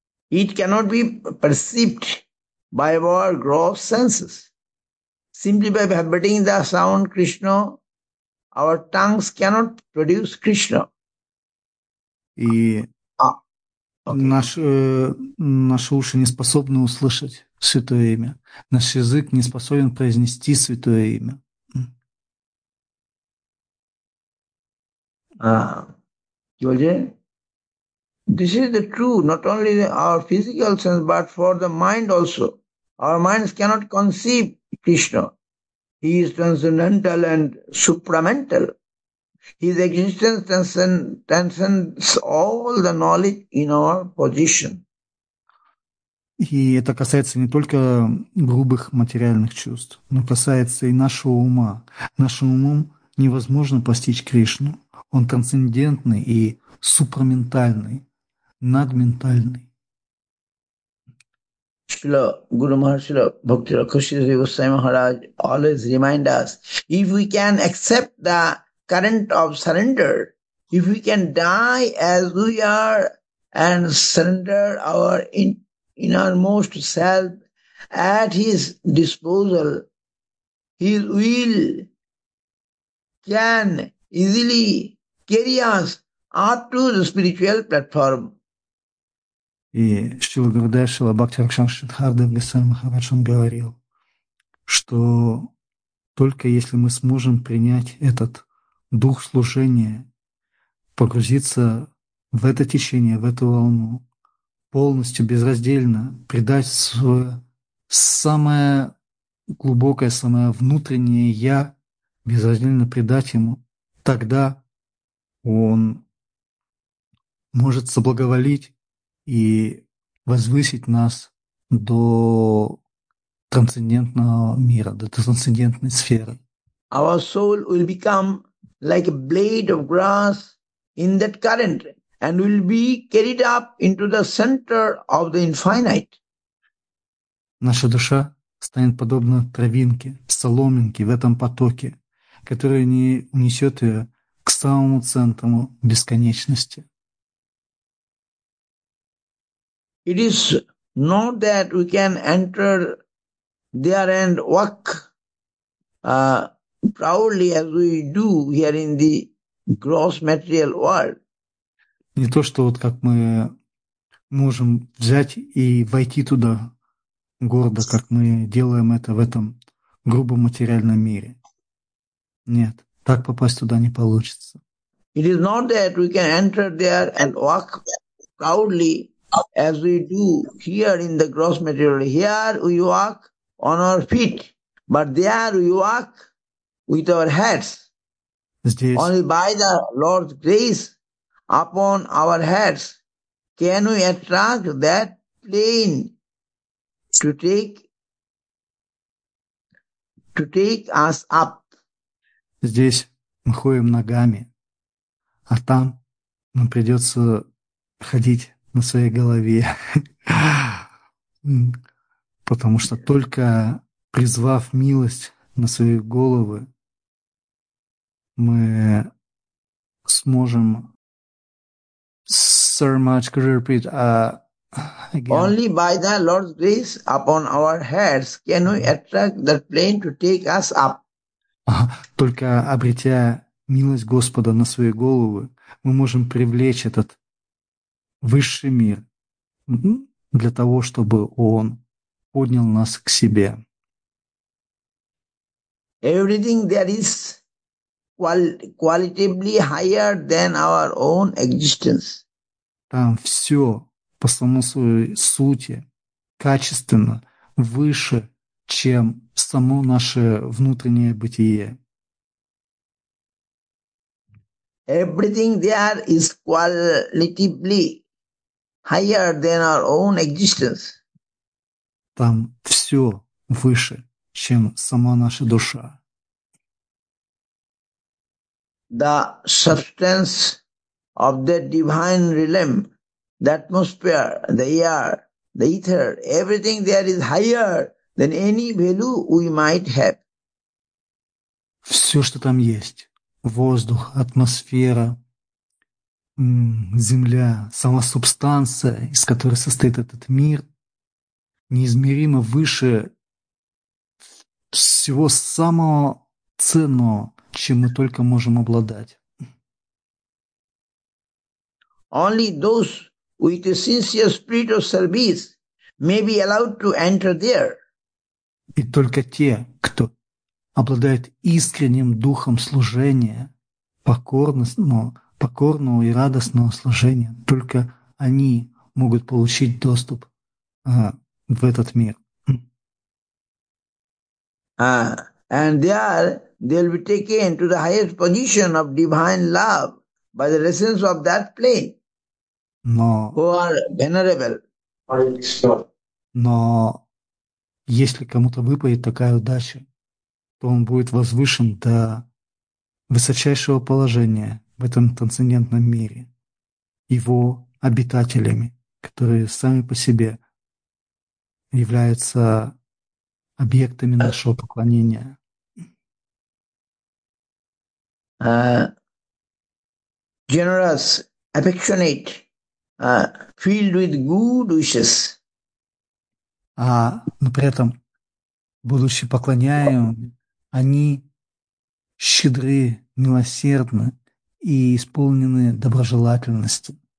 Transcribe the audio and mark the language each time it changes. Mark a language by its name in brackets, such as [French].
[English] It cannot be perceived by our gross senses. Simply by vibrating the sound Krishna, our tongues cannot produce Krishna. [Russian] И наши уши не способны услышать святое имя. Наш язык не способен произнести святое имя. [English] This is the true, not only our physical sense, but for the mind also. Our minds cannot conceive Krishna. He is transcendental and supramental. His existence transcends all the knowledge in our position. [Russian] И это касается не только грубых материальных чувств, но касается и нашего ума. Нашим умом невозможно постичь Кришну. Он трансцендентный и супраментальный, надментальный. [English] Srila Guru Maharaj, Srila Bhakti Rakshita Sri Goswami Maharaj always remind us, if we can accept the current of surrender, if we can die as we are and surrender our innermost self at his disposal, his will can easily carry us up to the spiritual platform. [Russian] И Шрила Гурудев, Шрила Бхакти Ракшан Шридхардев Гасвами Махарадж, он говорил, что только если мы сможем принять этот дух служения, погрузиться в это течение, в эту волну, полностью, безраздельно, придать свое самое глубокое, самое внутреннее «я», безраздельно придать ему, тогда он может соблаговолить и возвысить нас до трансцендентного мира, до трансцендентной сферы. [English] Our soul will become like a blade of grass in that current and will be carried up into the center of the infinite. [Russian] Наша душа станет подобна травинке, соломинке в этом потоке, который не унесет ее к самому центру бесконечности. [English] It is not that we can enter there and walk proudly as we do here in the gross material world. [Russian] Не то, что вот как мы можем взять и войти туда гордо, как мы делаем это в этом грубом материальном мире. Нет, так попасть туда не получится. [English] It is not that we can enter there and walk proudly as we do here in the gross material. Here we walk on our feet, but there we walk with our heads. [Russian] Здесь. [English] Only by the Lord's grace upon our heads can we attract that plane to take us up. [Russian] Здесь мы ходим ногами, а там нам придется ходить на своей голове, потому что только призвав милость на свои головы, мы сможем [English] Sir much could repeat again. Only by the Lord's grace upon our heads can we attract that plane to take us up. [Russian] Только обретя милость Господа на свои головы, мы можем привлечь этот высший мир для того, чтобы он поднял нас к себе. [English] Everything that is qualitatively higher than our own existence. [Russian] Там все по самому своей сути качественно выше, чем само наше внутреннее бытие. [English] Everything there is qualitatively higher than our own existence. [Russian] Там все выше, чем сама наша душа. [English] The substance of the divine realm, the atmosphere, the air, the ether, everything there is higher than any value we might have. [Russian] Все, что там есть. Воздух, атмосфера, земля, сама субстанция, из которой состоит этот мир, неизмеримо выше всего самого ценного, чем мы только можем обладать. [English] Only those with a sincere spirit of service may be allowed to enter there. [Russian] И только те, кто обладает искренним духом служения, покорного и радостного служения, только они могут получить доступ в этот мир. [English] And there they'll be taken to the highest position of divine love by the residents of that plane. [Russian] Но, [English] who are venerable. [Russian] Но если кому-то выпадет такая удача, то он будет возвышен до высочайшего положения в этом трансцендентном мире его обитателями, которые сами по себе являются объектами нашего поклонения. [English] Generous, affectionate, filled with good wishes. [Russian] но при этом, будучи поклоняемыми, они щедры, милосердны и исполнены доброжелательности.